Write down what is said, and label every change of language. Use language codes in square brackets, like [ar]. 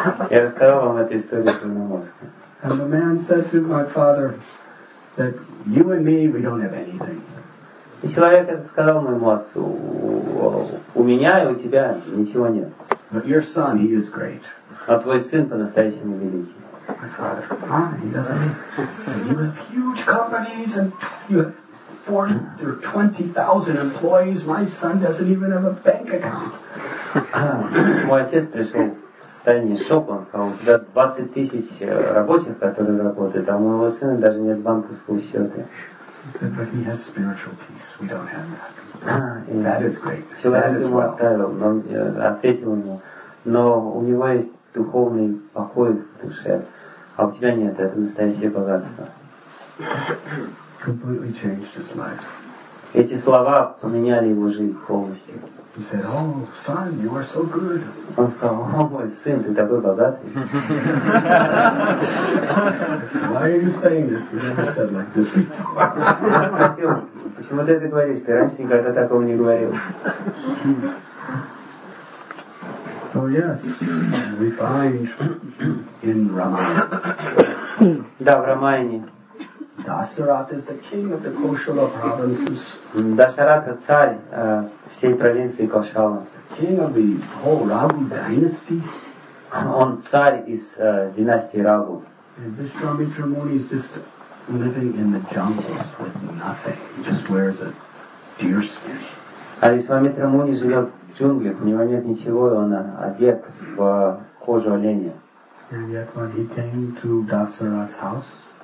[ru] Я рассказал вам эту историю про Намоска. [en] And the man said to my father that you and me we don't have anything. [ru] И человек сказал моему отцу, у меня и у тебя ничего нет. [en] But your son, he is great. [ru] А твой сын по-настоящему великий. [en] My father, fine, doesn't he? So you have huge companies and you have 20,000 employees. My son doesn't even have a bank account. [ru] Мой отец пришел в состоянии шока. Он сказал, у тебя 20 тысяч рабочих, которые работают, а у моего сына даже нет банковского счета. [en] He said, but he has spiritual peace. We don't have that. That is great. [ru] Человек ему оставил, но ответил ему, но у него есть духовный покой в душе, а у тебя нет, это настоящее богатство. [en] Completely changed his life. [ru] Эти слова поменяли его жизнь полностью. [en] He said, "Oh, son, you are so good." [ru] Он сказал, "О, мой сын, ты такой богатый." [en] Why are you saying this? We never said like this before. [ru] Почему ты это говоришь? Ты раньше никогда такого не говорил. [en] So yes, we find in Ramayana. [ru] Да, в Рамаяне. [en] Dasharatha is the king of the Kaushala provinces. [ru] Dasharatha, царь всей провинции Кошала. [en] King of the whole Rabu dynasty. [ru] Он царь из династии Рабу. [en] And Vishwamitra Muni is just living in the jungles with nothing. He just wears a deer skin. [ru] А Вишвамитра Муни живет в джунглях. У него нет ничего. Он одет в кожу оленя. [en] And yet when he came to Dasharatha's house.